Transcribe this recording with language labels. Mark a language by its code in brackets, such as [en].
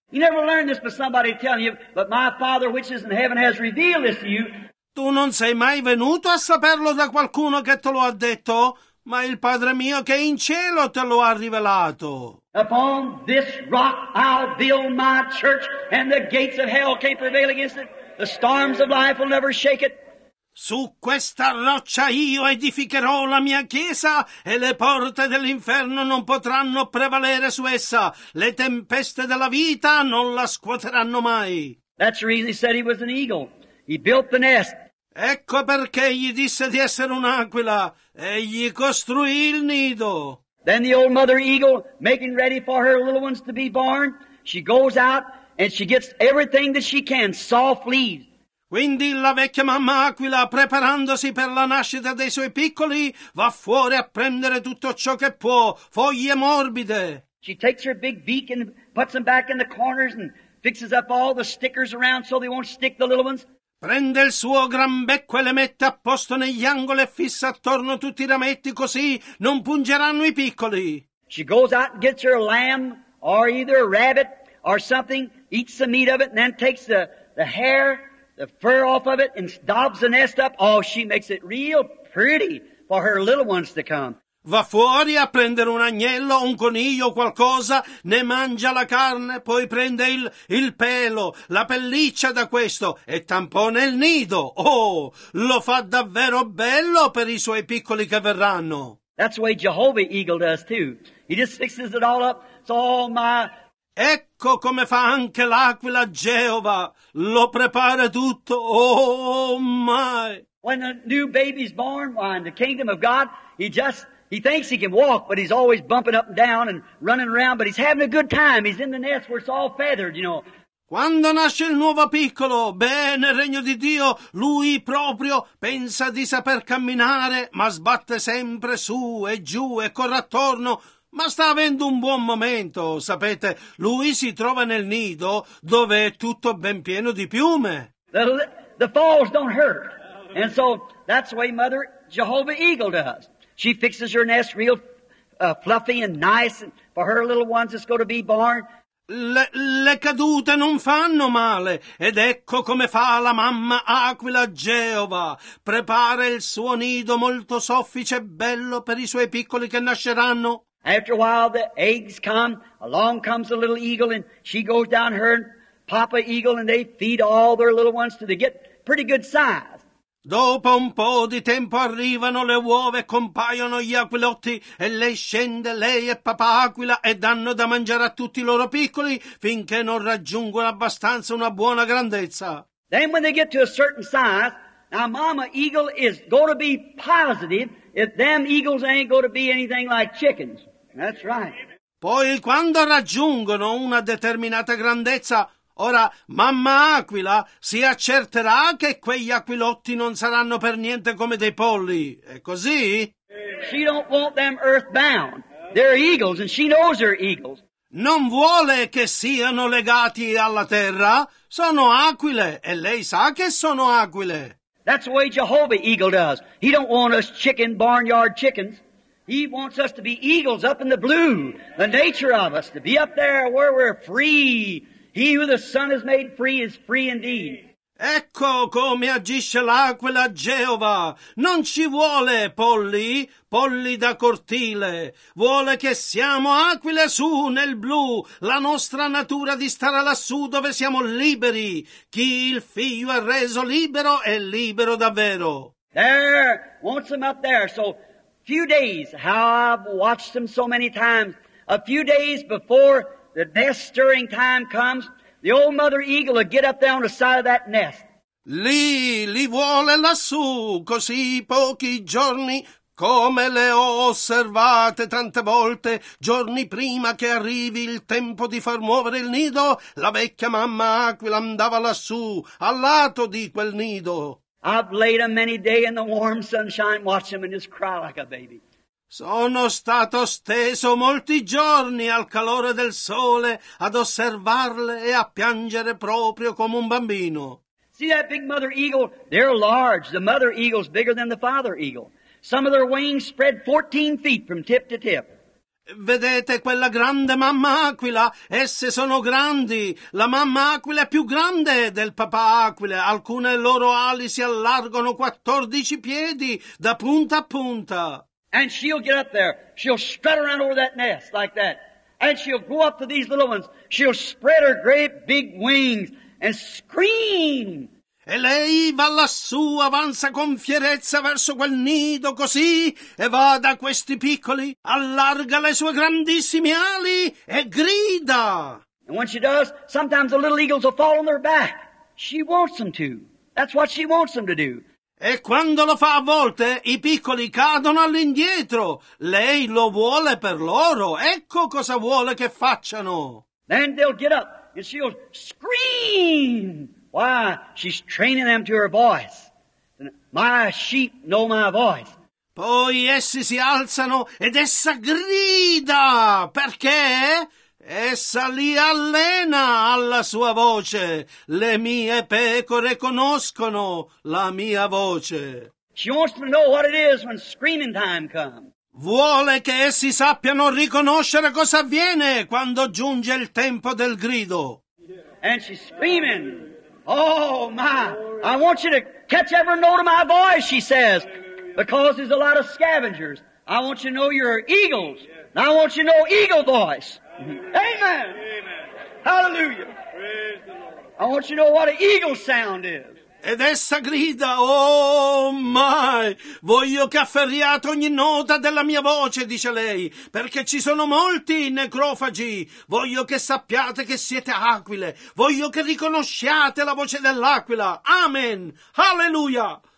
[en] You never learned this by somebody telling you, but my Father which is in heaven has revealed this to you. [it] Tu non sei mai venuto a saperlo da qualcuno che te lo ha detto, ma il Padre mio che è in cielo te lo ha rivelato. [en] Upon this rock I'll build my church, and the gates of hell can't prevail against it. The storms of life will never shake it. [it] Su questa roccia io edificherò la mia chiesa e le porte dell'inferno non potranno prevalere su essa. Le tempeste della vita non la scuoteranno mai. [en] That's the reason he said he was an eagle. He built the nest. [it] Ecco perché gli disse di essere un'aquila. Egli costruì il nido. [en] Then the old mother eagle, making ready for her little ones to be born, she goes out and she gets everything that she can, soft leaves. [it] Quindi la vecchia mamma aquila, preparandosi per la nascita dei suoi piccoli, va fuori a prendere tutto ciò che può, foglie morbide. [en] She takes her big beak and puts them back in the corners and fixes up all the stickers around so they won't stick the little ones. [it] Prende il suo gran becco e le mette a posto negli angoli e fissa attorno tutti i rametti così non pungeranno i piccoli. [en] She goes out and gets her lamb or either a rabbit or something, eats the meat of it and then takes the hair, the fur off of it and daubs the nest up. Oh, she makes it real pretty for her little ones to come. [it] Va fuori a prendere un agnello, un coniglio, qualcosa, ne mangia la carne, poi prende il pelo, la pelliccia da questo e tampone il nido. Oh, lo fa davvero bello per i suoi piccoli che verranno. [en] That's the way Jehovah Eagle does too. He just fixes it all up. It's all my... [it] Ecco come fa anche l'aquila Geova. Lo prepara tutto. [en] Oh my! When a new baby's born, in the kingdom of God, he thinks he can walk, but he's always bumping up and down and running around, but he's having a good time. He's in the nest where it's all feathered, you know. [it] Quando nasce il nuovo piccolo, bene, regno di Dio, lui proprio pensa di saper camminare, ma sbatte sempre su e giù e corre attorno. Ma sta avendo un buon momento, sapete, lui si trova nel nido dove è tutto ben pieno di piume. [en] The falls don't hurt. And so that's the way Mother Jehovah Eagle does. She fixes her nest real fluffy and nice and for her little ones that's going to be born. [it] Le cadute non fanno male, ed ecco come fa la mamma aquila Geova. Prepara il suo nido molto soffice e bello per i suoi piccoli che nasceranno. [en] After a while the eggs come, along comes a little eagle and she goes down her papa eagle and they feed all their little ones till they get pretty good size. [it] Dopo un po' di tempo arrivano le uova e compaiono gli aquilotti e lei scende, lei e papà aquila, e danno da mangiare a tutti i loro piccoli finché non raggiungono abbastanza una buona grandezza. [en] Then when they get to a certain size, now mama eagle is going to be positive if them eagles ain't going to be anything like chickens. That's right. [it] Poi quando raggiungono una determinata grandezza, ora mamma aquila si accerterà che quegli aquilotti non saranno per niente come dei polli. È così? [en] She don't want them earthbound. They're eagles and she knows they're eagles. [it] Non vuole che siano legati alla terra. Sono aquile e lei sa che sono aquile. [en] That's the way Jehovah Eagle does. He don't want us chicken barnyard chickens. He wants us to be eagles up in the blue. The nature of us to be up there where we're free. He who the Son has made free is free indeed. [it] Ecco come agisce l'aquila Geova. Non ci vuole polli, polli da cortile. Vuole che siamo aquile su nel blu, la nostra natura di stare lassù dove siamo liberi. Chi il figlio ha reso libero è libero davvero. [en] There, wants them up there. So, few days, how I've watched them so many times, a few days before the nest stirring time comes, the old mother eagle will get up there on the side of that nest. [it] Lì, li vuole lassù, così pochi giorni, come le ho osservate tante volte, giorni prima che arrivi il tempo di far muovere il nido, la vecchia mamma aquila andava lassù, al lato di quel nido. [en] I've laid them many day in the warm sunshine, watch them and just cry like a baby. [it] Sono stato steso molti giorni al calore del sole ad osservarle e a piangere proprio come un bambino. [en] See that big mother eagle? They're large. The mother eagle's bigger than the father eagle. Some of their wings spread 14 feet from tip to tip. [it] Vedete quella grande mamma aquila? Esse sono grandi. La mamma aquila è più grande del papà aquila. Alcune loro ali si allargano 14 piedi da punta a punta. [en] And she'll get up there. She'll strut around over that nest like that. And she'll go up to these little ones. She'll spread her great big wings and scream. [it] E lei va lassù, avanza con fierezza verso quel nido così, e va da questi piccoli, allarga le sue grandissime ali e grida. [en] And when she does, sometimes the little eagles will fall on their back. She wants them to. That's what she wants them to do. [it] E quando lo fa a volte, i piccoli cadono all'indietro. Lei lo vuole per loro. Ecco cosa vuole che facciano. [en] Then they'll get up and she'll scream. Why, she's training them to her voice. My sheep know my voice. [it] Poi essi si alzano ed essa grida. Perché? Essa li allena alla sua voce. Le mie pecore conoscono la mia voce. [en] She wants to know what it is when screaming time comes. [it] Vuole che essi sappiano riconoscere cosa avviene quando giunge il tempo del grido. [en] And she's screaming. Oh my, I want you to catch every note of my voice, she says, because there's a lot of scavengers. I want you to know you're eagles. I want you to know eagle voice. Amen. Amen. Hallelujah. Praise the Lord. I want you to know what an eagle sound is. [it] Ed essa grida, [en] oh my, [it] voglio che afferriate ogni nota della mia voce, dice lei, perché ci sono molti necrofagi. Voglio che sappiate che siete aquile. Voglio che riconosciate la voce dell'aquila. Amen. Hallelujah.